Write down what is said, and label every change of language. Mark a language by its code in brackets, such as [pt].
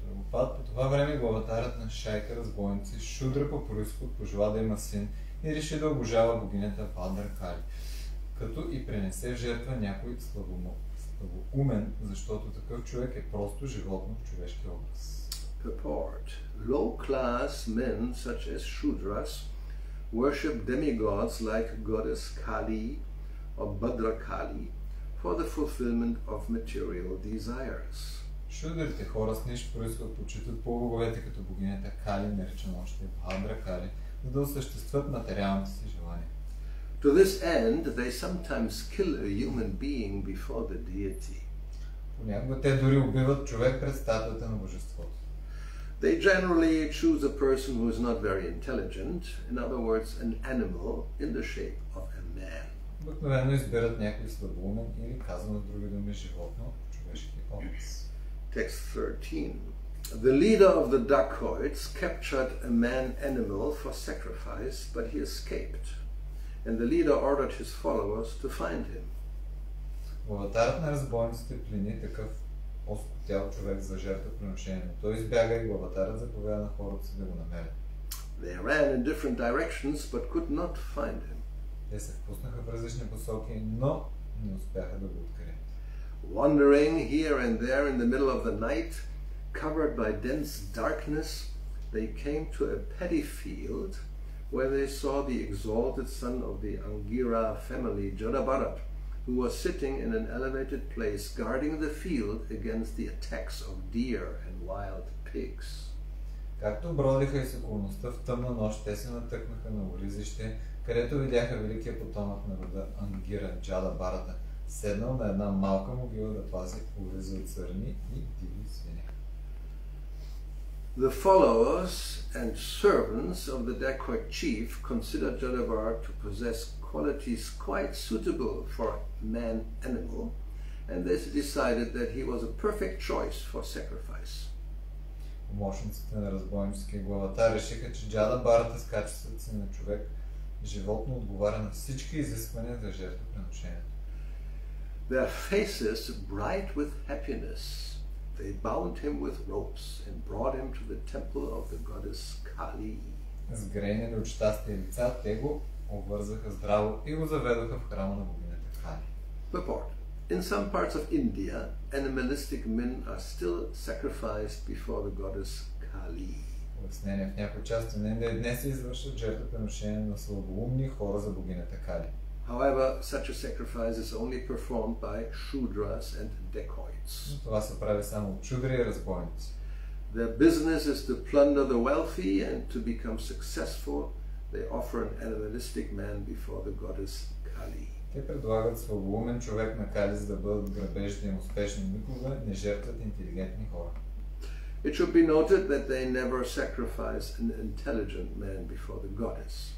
[bg] По това време главатарът на шайка разбойници Шудра по происход пожела да има син и реши да обожава богинята Бхадра Кали, като и пренесе в жертва някой слабоумен, защото такъв човек е просто животно в човешки образ. [en] Purport. Low-class men such as Shudras worship demigods like goddess Kali or Bhadra Kali for the fulfillment of material desires. [bg] Шудрите хора с ниш происход почитат по-боговете като богинята Кали, наречена още Бхадра Кали, за да осъществят материалните си желания. [en] To this end, they sometimes kill a human being before the deity. [bg] Понякога те дори убиват човек пред статуята на божеството. [en] They generally choose a person who is not very intelligent, in other words, an animal in the shape of a man. [bg] Обикновено избират някой слабоумен или, казано други думи, животно в човешки образ. [en] Text 13. The leader of the dacoits captured a man-animal for sacrifice, but he escaped, and the leader ordered his followers to find him. [bg] Главатарът на разбойниците плени такъв оскотял човек за жертвоприношението. Той избяга и главатарът заповяда на хората си да го намерят. [en] They ran in different directions, but could not find him. [bg] Те се впуснаха в различни посоки, но не успяха да го открият. [en] Wandering here and there in the middle of the night, covered by dense darkness, they came to a paddy field where they saw the exalted son of the Angira family, Jada Bharata, who was sitting in an elevated place guarding the field against the attacks of deer and wild pigs. [bg] Както бродиха из околността в тъмна нощ, те се натъкнаха на оризище, където видяха великия потомък на рода Ангира, Джада Бхарата, седнал на една малка могила да пази оризи от сърни и диви свине. [en] The followers and servants of the dacoit chief considered Jada Bharata to possess qualities quite suitable for man-animal, and they decided that he was a perfect choice for sacrifice. [bg] Помощниците на разбойническия главатар решиха, че Джада Бхарата с качеството си на човек животно отговаря на всички изисквания за жертвоприношението. [en] Their faces bright with happiness, they bound him with ropes and brought him to the temple of the goddess Kali. [bg] С грейни от щастие лица, те го обвързаха здраво и го заведоха в храма на богинята Кали. [en] Purport. In some parts of India, animalistic men are still sacrificed before the goddess Kali. [bg] Обяснение. В някои части на Индия днес се извършват жертвоприношения на слабоумни хора за богинята Кали. [en] However, such a sacrifice is only performed by Shudras and dacoits. [bg] Това се прави само от шудри и разбойници. [en] Their business is to plunder the wealthy and to become successful. They offer an animalistic man before the goddess Kali. [bg] Те предлагат слабоумен човек на Кали, за да бъдат грабежни и успешни. Никога не жертват интелигентни хора. [en] It should be noted that they never sacrifice an intelligent man before the goddess.